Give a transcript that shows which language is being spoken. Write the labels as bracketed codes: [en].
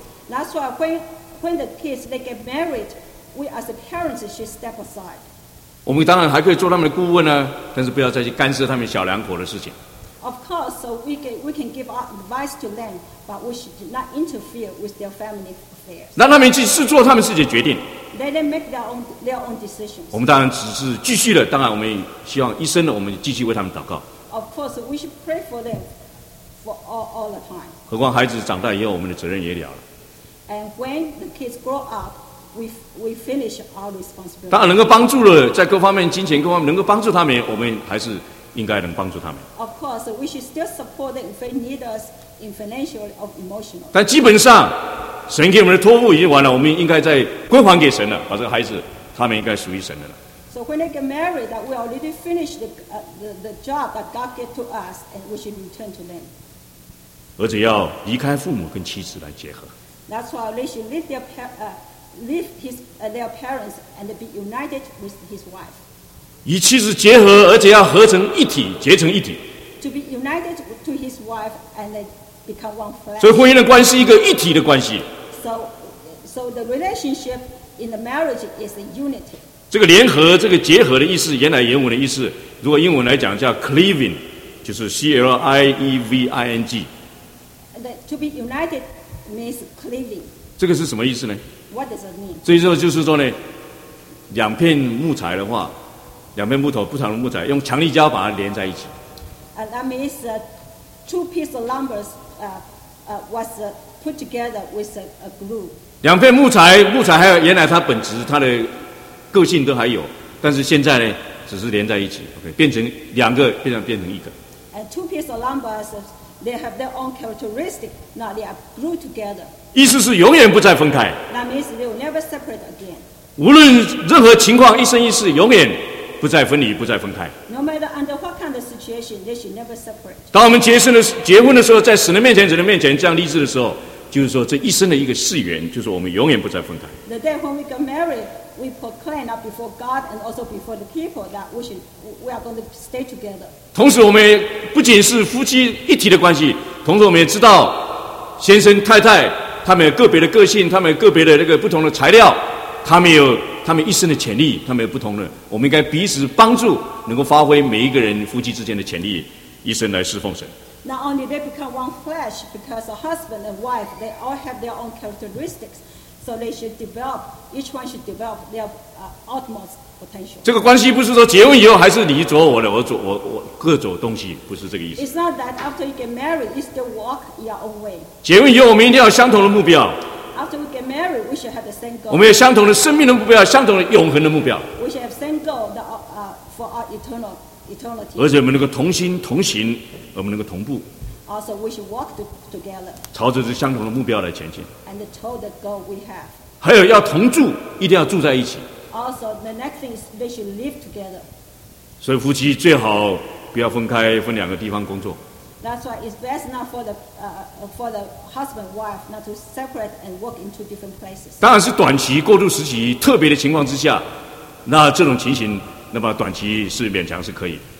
[en] That's why when the kids they get married, we as the parents should step aside. [zh] 我们当然还可以做他们的顾问呢，但是不要再去干涉他们小两口的事情。 [en] Of course, so we can give our advice to them, but we should not interfere with their family affairs. [zh] 让他们去试做他们自己的决定。 [en] Let them make their own decisions. [zh] 我们当然只是继续了，当然我们希望一生的我们继续为他们祷告。 [en] Of course, we should pray for them for all the time. [zh] 何况孩子长大以后，我们的责任也了了。 [en] And when the kids grow up, we finish our responsibility. [zh] 当然能够帮助了，在各方面金钱各方面能够帮助他们，我们还是应该能帮助他们。 [en] Of course, we should still support them if they need us in financial or emotional. [zh] 但基本上。神给我们的托付已经完了，我们应该再归还给神了。把这个孩子，他们应该属于神的了。 [en] So when they get married, that we already finished the job that God gave to us, and we should return to them. [zh] 而且要离开父母跟妻子来结合。 [en] That's why they should leave their parents and be united with his wife. [zh] 与妻子结合，而且要合成一体，结成一体。 [en] to be united to his wife and they become one flesh. [zh] 所以婚姻的关系是一个一体的关系。 [en] So the relationship in the marriage is a unity. [zh] 这个联合，这个结合的意思，原来原文的意思，如果英文来讲叫 cleaving， 就是 cleaving。 [en] To be united means cleaving. [zh] 这个是什么意思呢？ [en] What does it mean? [zh] 所以说就是说呢，两片木材的话，两片木头不同的木材用强力胶把它连在一起。 [en] That means two pieces of lumber was put together with a glue. [zh] 两片木材还有原来它本质它的个性都还有，但是现在呢只是连在一起 ，OK， 变成两个变成一个。 [en] Two pieces of lumber they have their own characteristic. Now they are glued together. [zh] 意思是永远不再分开。 [en] That means they will never separate again. [zh] 无论任何情况，一生一世，永远不再分离，不再分开。 [en] No matter under what kind of situation, they should never separate. [zh] 当我们结婚的时候，在神的面前、神的面前这样立志的时候，就是说这一生的一个誓言，就是我们永远不再分开。 [en] The day when we get married, we proclaim up before God and also before the people that we are going to stay together. [zh] 同时，我们不仅是夫妻一体的关系，同时我们也知道先生太太。他们有个别的个性，他们有个别的那个不同的材料，他们有他们一生的潜力，他们有不同的。我们应该彼此帮助，能够发挥每一个人夫妻之间的潜力，一生来侍奉神。 [en] Not only they become one flesh, because a husband and wife they all have their own characteristics, so they should develop. Each one should develop their utmost potential. [zh] 这个关系不是说结婚以后还是你走我的，我各走东西，不是这个意思。 [en] It's not that after you get married, you still walk your own way. [zh] 结婚以后，我们一定要有相同的目标。 [en] After we get married, we should have the same goal. [zh] 我们有相同的生命的目标，相同的永恒的目标。 [en] We should have same goal that for our eternity. [zh] 而且我们能够同心同行，我们能够同步。 [en] Also, we should walk together. [zh] 朝着这相同的目标来前进。 [en] And toward the goal we have. [zh] 还有要同住，一定要住在一起。 [en] Also, the next thing is they should live together. [zh] 所以夫妻最好不要分开，分两个地方工作。 [en] That's why it's best not for the husband wife not to separate and work in two different places. [zh] 当然是短期过渡时期特别的情况之下，那这种情形，那么短期是勉强是可以。